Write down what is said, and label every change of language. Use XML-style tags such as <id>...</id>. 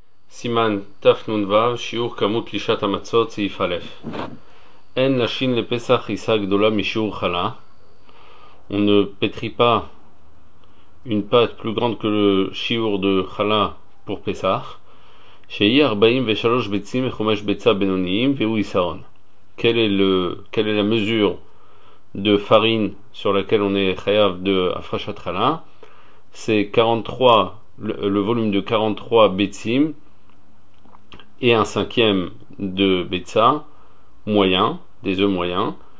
<he>סימן תנ"ו, שיעור כמות פלישת המצות, סעיף א'. אין לשין לפסח חיסה גדולה משיעור חלה.</he> <fr>On ne pétrit pas une pâte plus grande que le שיעור de חלה pour פסח.</fr> <he>שהיא 43 ביצים וחומש ביצה בינוניים, והוא יסרון.</he> <fr>Quelle est la mesure de farine sur laquelle on est חייב de הפרשת חלה? C'est 43, le volume de 43 ביצים. Et un cinquième de betsa moyen, des œufs moyens.</fr>